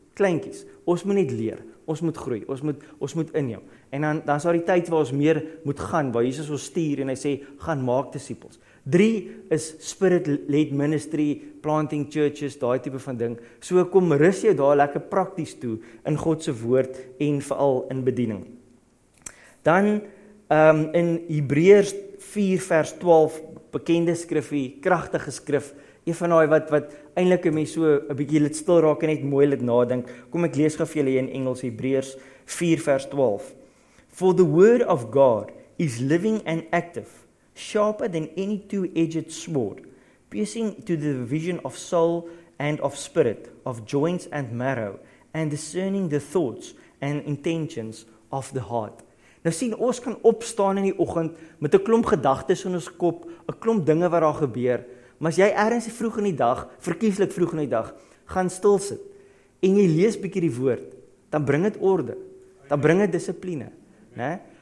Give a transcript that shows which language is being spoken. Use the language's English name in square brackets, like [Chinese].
[Afrikaans] Kleinkies, ons moet net leer, ons moet groei, ons moet inneem. En dan sal die tyd waar ons meer moet gaan, waar Jesus ons stuur en hy sê, gaan maak disciples. [English] 3 is spirit-led ministry, planting churches, [Afrikaans] daai type van ding. So kom rus jou daar lekker prakties toe in God se woord en veral in bediening. Dan in Hebreërs 4 vers 12 bekende skrifie, kragtige skrif, een van daai wat eintlik 'n mens so 'n bietjie laat stil raak en net mooi laat nadink. Kom ek lees gou vir julle in Engels Hebreërs 4 vers 12. [English] For the word of God is living and active. Sharper than any two-edged sword, piercing to the division of soul and of spirit, of joints and marrow, and discerning the thoughts and intentions of the heart. [Afrikaans] Nou sien, ons kan opstaan in die oggend met 'n klomp gedagtes in ons kop, 'n klomp dinge wat daar gebeur, maar as jy ergens vroeg in die dag, verkieslik vroeg in die dag, gaan stil sit, en jy lees bietjie die woord, dan bring het orde, dan bring het disipline, ne?